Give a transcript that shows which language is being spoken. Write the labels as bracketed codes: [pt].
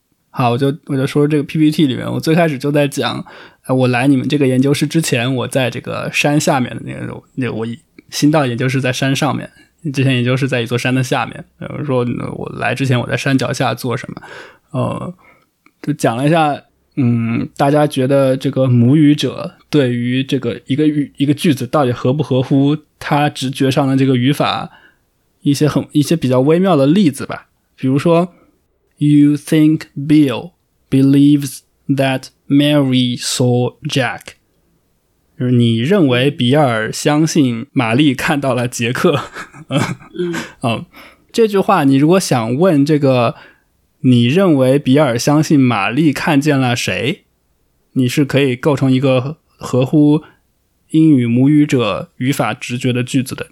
[zh] 好，我就说这个 PPT 里面，我最开始就在讲我来你们这个研究室之前，我在这个山下面的那个我新到研究室在山上面，之前研究室在一座山的下面，我说我来之前我在山脚下做什么，就讲了一下大家觉得这个母语者对于这个一个句子到底合不合乎他直觉上的这个语法，一些比较微妙的例子吧。比如说 [en] ,You think Bill believes that Mary saw Jack. [zh] 就是你认为比尔相信玛丽看到了杰克。这句话你如果想问这个你认为比尔相信玛丽看见了谁，你是可以构成一个合乎英语母语者语法直觉的句子的。